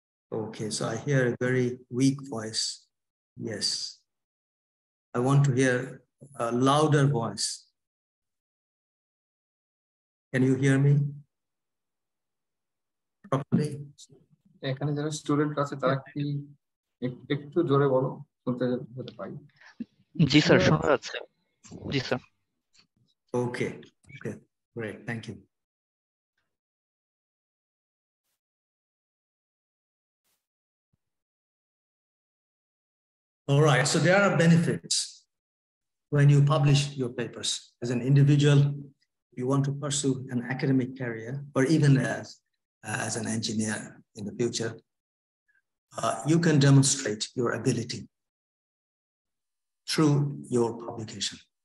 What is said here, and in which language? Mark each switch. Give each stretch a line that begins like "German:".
English: Okay, so I hear a very weak voice. Yes. I want to hear a louder voice. Can you hear me properly?
Bangla: এখানে যারা student আছে তারা কি একটু জোরে বলো শুনতে যেতে পাই জি স্যার শোনা যাচ্ছে জি sir
English: Okay okay great thank you all right so there are benefits when you publish your papers as an individual, you want to pursue an academic career, or even as an engineer in the future, you can demonstrate your ability through your publication.